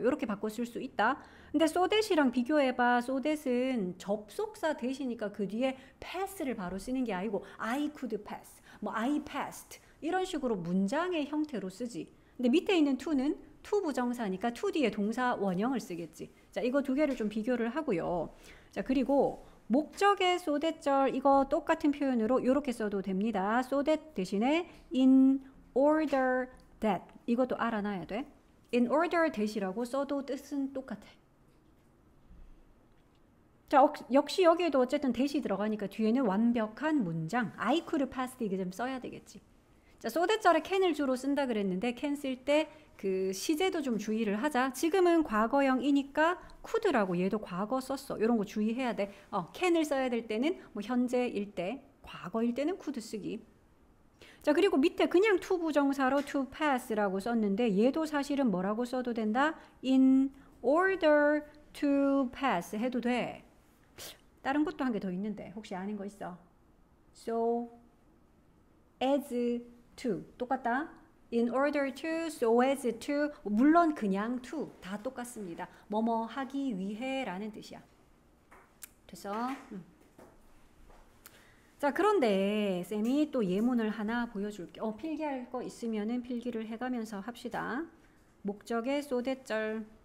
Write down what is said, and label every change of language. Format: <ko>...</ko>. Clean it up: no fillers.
<ko>이렇게 바꿔 쓸수 있다. 근데 so that이랑 비교해봐. So that은 접속사 대시니까 그 뒤에 pass를 바로 쓰는 게 아니고</ko> <en>I could pass,</en> <ko>뭐</ko> <en>I passed</en> <ko>이런 식으로 문장의 형태로 쓰지. 근데 밑에 있는 to는 to 부정사니까 to 뒤에 동사 원형을 쓰겠지. 자, 이거 두 개를 좀 비교를 하고요. 자, 그리고 목적의 so that절 이거 똑같은 표현으로 이렇게 써도 됩니다.</ko> <en>So that</en> <ko>대신에</ko> <en>in order that</en> <ko>이것도 알아놔야 돼.</ko> <en>In order that</en> <ko>이라고 써도 뜻은 똑같아. 자, 역시 여기에도 어쨌든 that이 들어가니까 뒤에는 완벽한 문장.</ko> <en>I could pass the exam</en> <ko>써야 되겠지. 자, so that절에 can을 주로 쓴다 그랬는데 can 쓸때그 시제도 좀 주의를 하자. 지금은 과거형이니까 could라고 얘도 과거 썼어. 이런 거 주의해야 돼. can을 써야 될 때는 뭐 현재일 때, 과거일 때는 could 쓰기. 자, 그리고 밑에 그냥 to 부정사로 to pass라고 썼는데 얘도 사실은 뭐라고 써도 된다?</ko> <en>In order to pass</en> <ko>해도 돼. 다른 것도 한개더 있는데 혹시 아는 거 있어?</ko> <en>So as to</en> <ko>똑같다.</ko> <en>In order to, so as to,</en> <ko>물론 그냥</ko> <en>to</en> <ko>다 똑같습니다. 뭐뭐 하기 위해라는 뜻이야. 됐어? 자, 그런데 쌤이 또 예문을 하나 보여줄게. 필기할 거 있으면은 필기를 해가면서 합시다. 목적의 so that절.</ko>